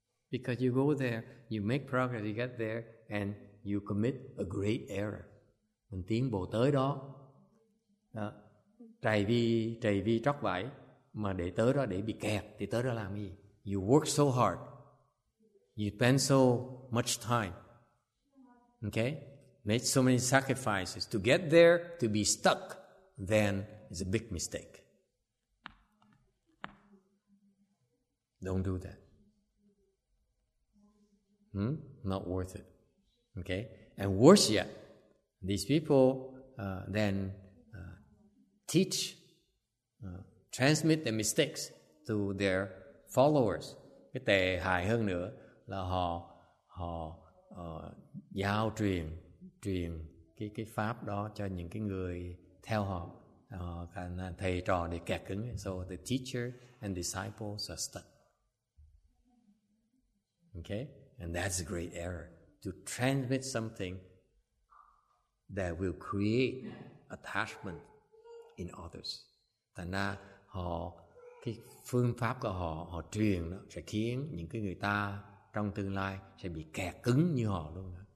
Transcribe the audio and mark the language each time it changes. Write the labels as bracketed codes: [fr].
[en] Because you go there, you make progress, you get there, and you commit a great error. [vi] Mình tiến bộ tới đó, trầy vi tróc vải, mà để tới đó để bị kẹt, thì tới đó làm gì? [en] You work so hard. You spend so much time. Okay? Made so many sacrifices to get there, to be stuck, then it's a big mistake. Don't do that. Not worth it. Okay? And worse yet, these people then teach, transmit the mistakes to their followers. [vi] Cái tệ hại hơn nữa là họ họ giao truyền truyền cái pháp đó cho những cái người theo họ, cả thầy trò để kẹt cứng. [en] So the teacher and disciples are stuck. Okay, and that's a great error to transmit something that will create attachment in others. [vi] Thành ra họ cái phương pháp của họ họ truyền đó sẽ khiến những cái người ta trong tương lai sẽ bị kẹt cứng như họ luôn đó.